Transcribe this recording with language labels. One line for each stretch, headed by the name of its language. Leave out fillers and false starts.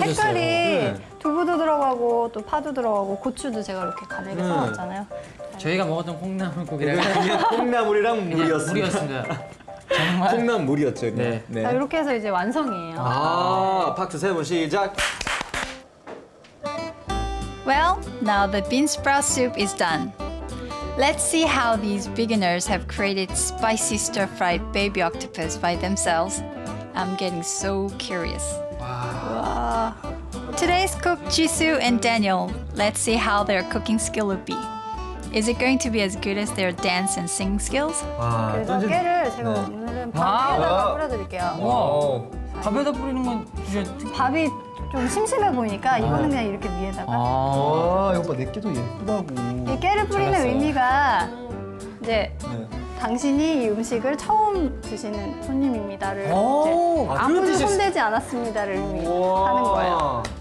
Korean: 색깔이 두부도 들어가고 또 파도 들어가고 고추도 제가 이렇게 간을 해서 넣었잖아요. 저희가 먹었던 콩나물국이랑 그냥 콩나물이랑 물이었습니다. 정말 콩나물이었죠. 네. 자, 이렇게 해서 이제 완성이에요. 아 박수 세 번 시작.
English: Well, now the bean sprout soup is done. Let's see how these beginners have created spicy stir-fried baby octopus by themselves. I'm getting so curious. Wow. Today's cook, Jisoo and Daniel, let's see how their cooking skill would be. Is it going to be as good as their dance and sing skills? Wow.
Korean: 그래서 깨를 제가 오늘은 밥에다가 뿌려드릴게요. 밥에다 뿌리는 건 좀 심심해 보이니까 이거는 그냥 이렇게 위에다가 이거 봐 내께도 예쁘다고 이 깨를 뿌리는 잘했어. 의미가 이제 당신이 이 음식을 처음 드시는 손님입니다를 아무도 손대지 않았습니다를 의미하는 거예요.